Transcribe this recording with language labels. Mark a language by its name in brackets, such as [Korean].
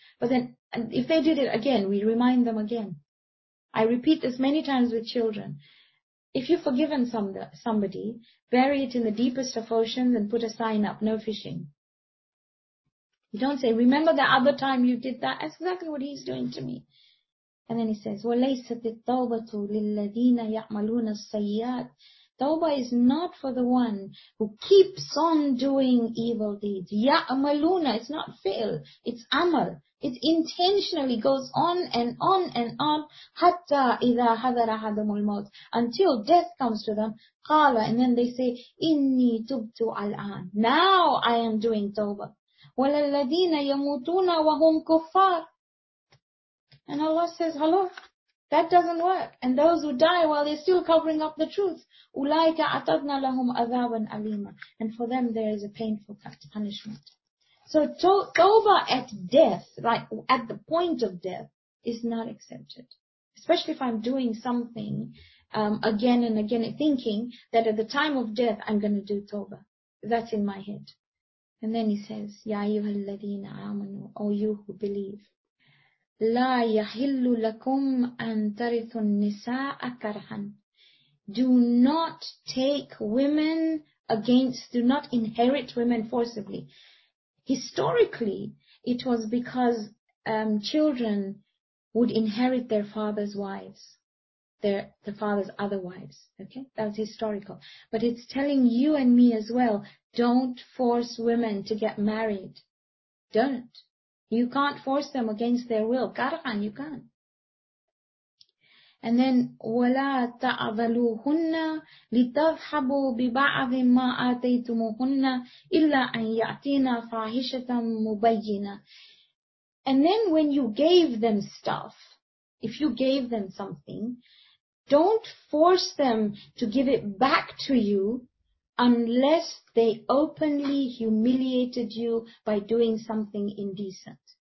[English] But then, and if they did it again, we remind them again. I repeat this many times with children. If you've forgiven somebody, bury it in the deepest of oceans and put a sign up, no fishing. You don't say, remember the other time you did that? That's exactly what he's doing to me. And then he says, [Arabic] وَلَيْسَتِ التَّوْبَةُ لِلَّذِينَ يَعْمَلُونَ السَّيِّئَاتِ. [English] Tawbah is not for the one who keeps on doing evil deeds. يَعْمَلُونَ, it's not fail, it's amal. It intentionally goes on and on and on. [Arabic] حَتَّى إِذَا حَذَرَ أَحَدَهُمُ الْمَوْتِ. [English] Until death comes to them. قَالَ, and then they say, [Arabic] إِنِّي تُبْتُ الْآنَ. [English] Now I am doing tawbah. [Arabic] وَلَلَّذِينَ يَمُوتُونَ وَهُمْ كُفَّارٌ. [English] And Allah says, hello, that doesn't work. And those who die while they're still covering up the truth, [Arabic] أُولَٰئِكَ أَعْتَدْنَا لَهُمْ عَذَابًا أَلِيمًا. [English] And for them there is a painful punishment. So tawbah at death, like at the point of death, is not accepted. Especially if I'm doing something again and again, thinking that at the time of death I'm going to do tawbah. That's in my head. And then he says, [Arabic] يَا أَيُّهَا الَّذِينَ آمَنُوا, [English] O you who believe, [Arabic] لَا يَحِلُّ لَكُمْ أَن تَرِثُ النِّسَاءَ كَرْحًا. [English] Do not take women against, do not inherit women forcibly. Historically, it was because children would inherit their father's wives, the father's other wives. Okay, that was historical. But it's telling you and me as well, don't force women to get married. Don't. You can't force them against their will. Karhan, you can't. And then, [Arabic] وَلَا تَعْذَلُوهُنَّ لِتَذْحَبُوا بِبَعْضِ مَا آتَيْتُمُهُنَّ إِلَّا أَنْ يَأْتِينَ فَاحِشَةً مُبَيِّنَةً. [English] And then when you gave them stuff, if you gave them something, don't force them to give it back to you unless they openly humiliated you by doing something indecent.